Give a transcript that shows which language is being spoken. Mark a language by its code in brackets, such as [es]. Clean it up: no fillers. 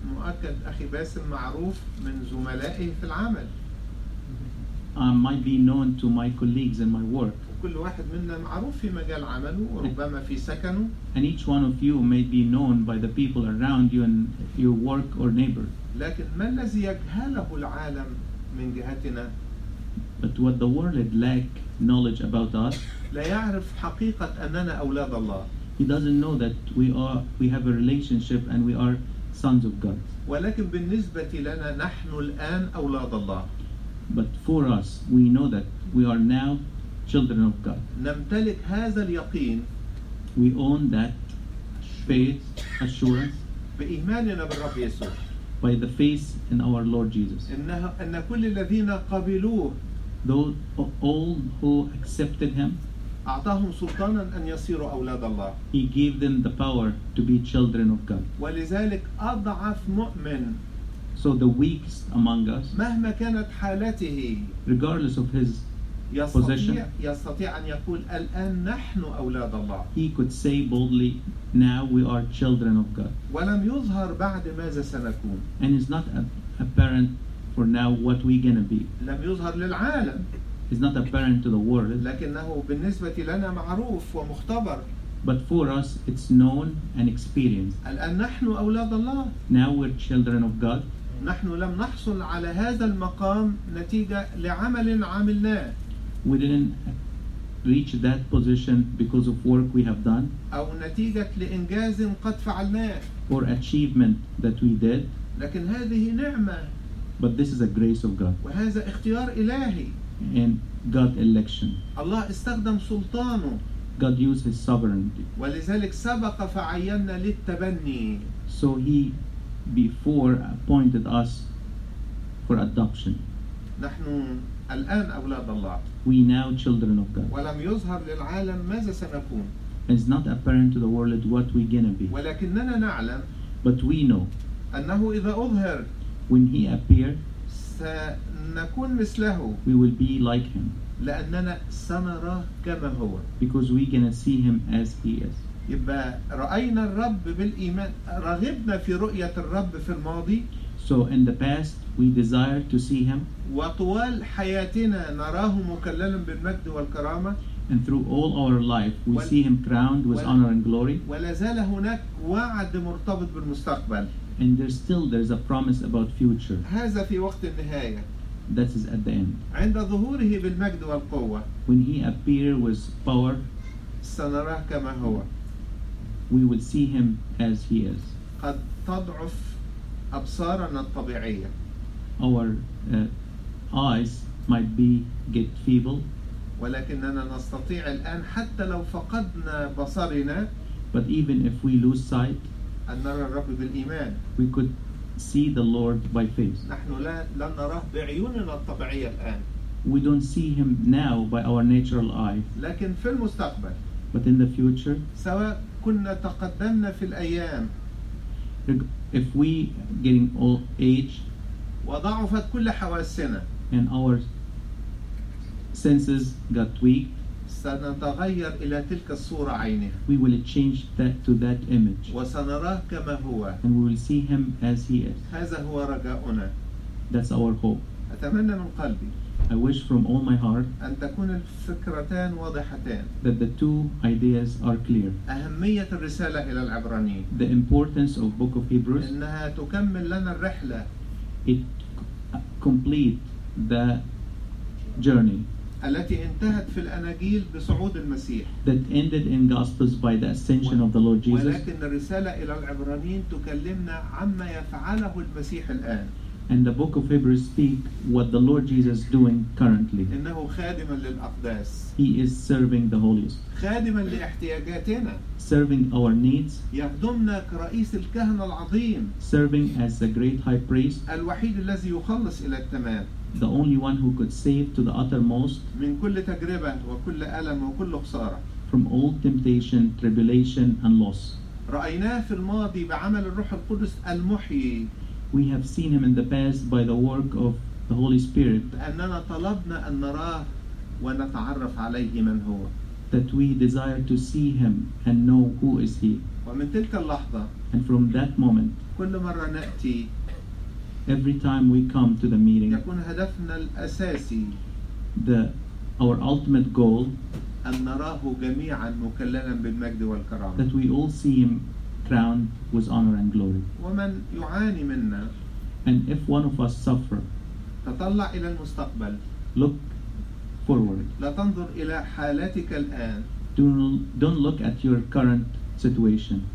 [ar] مؤكد أخي باسم معروف من زملائي في العمل. [en] I might be known to my colleagues and my work. [ar] كل واحد منا معروف في مجال عمله وربما في سكنه. [en] And each one of you may be known by the people around you and your work or neighbor. [ar] لكن ما الذي يجهله العالم من جهتنا؟ [en] But what the world lack knowledge about us. [ar] لا يعرف حقيقة أننا أولاد الله. [en] He doesn't know that we have a relationship and we are sons of God. [ar] ولكن بالنسبة لنا نحن الآن أولاد الله. [en] But for us, we know that we are now children of God. [ar] نمتلك هذا اليقين. [en] We own that faith assurance. [ar] بإيماننا بالرب يسوع. [en] By the faith in our Lord Jesus. [ar] إن كل الذين قبلوه. [en] Those all who accepted him. [ar] أعطاهم سلطانا أن يصيروا أولاد الله. [en] He gave them the power to be children of God. [ar] ولذلك أضعف مؤمن. [en] So the weakest among us, [ar] مهما كانت حالته, [en] regardless of his position, [ar] يستطيع أن يقول الآن نحن أولاد الله. [en] He could say boldly, "Now we are children of God." [ar] ولم يظهر بعد ماذا سنكون. [en] And it's not apparent for now what we're gonna be. [ar] لم يظهر للعالم. [en] It's not apparent to the world. [ar] لكنه بالنسبة لنا معروف ومختبر. [en] But for us, it's known and experienced. [ar] الآن نحن أولاد الله. [en] Now we're children of God. [ar] نحن لم نحصل على هذا المقام نتيجة لعمل عملناه. [en] We didn't reach that position because of work we have done. [ar] أو نتيجة لإنجاز قد فعلناه. [en] Or achievement that we did. [ar] لكن هذه نعمة. [en] But this is a grace of God. [ar] وهذا اختيار إلهي. [en] And God election. [ar] الله استخدم سلطانه. [en] God used his sovereignty. [ar] ولذلك سبق فعينا للتبني. [en] So he before appointed us for adoption. [ar] نحن الآن أولاد الله. [en] We now children of God. [ar] ولم يظهر للعالم ماذا سنكون. [en] It's not apparent to the world what we gonna be. [ar] ولكننا نعلم. [en] But we know. [ar] أنه إذا أظهر. [en] When he appeared. [ar] سنكون مثله. [en] We will be like him. [ar] لأننا سنرى كما هو. [en] Because we gonna see him as he is. [ar] يبقى رأينا الرب بالإيمان. رغبنا في رؤية الرب في الماضي. [en] So in the past we desire to see him. [ar] وطوال حياتنا نراه مكللا بالمجد والكرامة. [en] And through all our life we see him crowned with honor and glory. [ar] ولا زال هناك وعد مرتبط بالمستقبل. [en] And there's a promise about future. [ar] هذا في وقت النهاية. [en] That is at the end. [ar] عند ظهوره بالمجد والقوة. [en] When he appear with power. [ar] سنراه كما هو. [en] We will see him as he is. [ar] قد تضعف أبصارنا الطبيعية. [en] Our eyes might be get feeble. [ar] ولكننا نستطيع الآن حتى لو فقدنا بصرنا. [en] But even if we lose sight. [ar] أن نرى الرب بالإيمان. [en] We could see the Lord by faith. [ar] نحن لن نراه بعيوننا الطبيعية الآن. [en] We don't see him now by our natural eye. [ar] لكن في المستقبل. [en] But in the future. [ar] سواء كنا تقدمنا في الأيام. [en] If we getting old age. [ar] وضعفت كل حواسنا. [en] And our senses got weak. [ar] سنتغير إلى تلك الصورة عينه. [en] We will change that to that image. [ar] وسنراه كما هو. [en] And we will see him as he is. [ar] هذا هو رجاؤنا. [en] That's our hope. [ar] أتمنى من قلبي. [en] I wish from all my heart. [ar] أن تكون الفكرتان واضحتان. [en] That the two ideas are clear. [ar] أهمية الرسالة إلى العبرانيين. [en] The importance of Book of Hebrews. [ar] إنها تكمل لنا الرحلة. [en] It complete the journey. [ar] التي انتهت في الأناجيل بصعود المسيح. [en] That ended in Gospels by the ascension of the Lord Jesus. [ar] ولكن الرسالة إلى العبرانيين تكلمنا عما يفعله المسيح الآن. [en] And the book of Hebrews speak what the Lord Jesus is doing currently. [ar] إنه خادما للأقداس. [en] He is serving the holiest. [ar] خادما لاحتياجاتنا. [en] Serving our needs. [ar] يخدمنا كرئيس الكهنة العظيم. [en] Serving as the great high priest. [ar] الوحيد الذي يخلص إلى التمام. [en] The only one who could save to the uttermost. [ar] من كل تجربة وكل ألم وكل خسارة. [en] From all temptation, tribulation, and loss. [ar] رأيناه في الماضي بعمل الروح القدس المحيي. [en] We have seen him in the past by the work of the Holy Spirit. [ar] أننا طلبنا أن نراه ونتعرف عليه من هو. [en] That we desire to see him and know who is he. [ar] ومن تلك اللحظة. [en] And from that moment. [ar] كل مرة نأتي. [en] Every time we come to the meeting. [ar] يكون هدفنا الأساسي. [en] Our ultimate goal. [ar] أن نراه جميعا مكللا بالمجد والكرامة. [en] That we all see him. Crowned with honor and glory. [ar] ومن يعاني منا. [en] And if one of us suffer. [ar] تطلع إلى المستقبل. [en] Look forward. [ar] لا تنظر إلى حالتك الآن. [en] Don't look at your current situation.